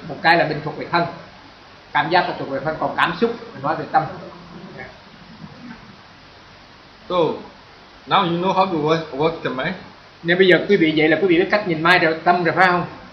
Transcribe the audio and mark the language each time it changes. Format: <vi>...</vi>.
<vi>Một cái là bên thuộc về thân, cảm giác là thuộc về thân, còn cảm xúc nói về tâm.</vi> <en>Yeah. So, now you know how to work the mind.</en> <vi>Nếu bây giờ quý vị vậy là quý vị biết cách nhìn mind rồi, tâm rồi phải không?</vi>